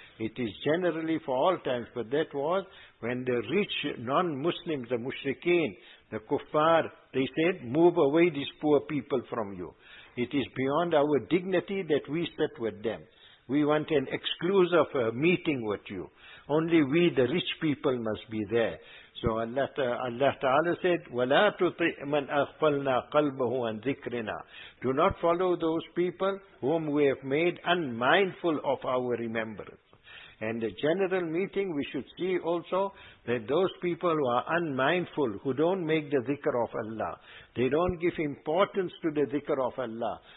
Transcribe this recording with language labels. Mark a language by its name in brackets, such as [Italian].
[English] It is generally for all times. But that was when the rich non-Muslims, the mushrikeen, the kuffar, they said, move away these poor people from you. It is beyond our dignity that we sit with them. We want an exclusive meeting with you. Only we, the rich people, must be there. So Allah Ta'ala said, [Arabic] وَلَا تُطِعْ مَنْ أَغْفَلْنَا قَلْبَهُ عَنْ ذِكْرِنَا. [English] Do not follow those people whom we have made unmindful of our remembrance. And the general meeting, we should see also that those people who are unmindful, who don't make the dhikr of Allah, they don't give importance to the dhikr of Allah.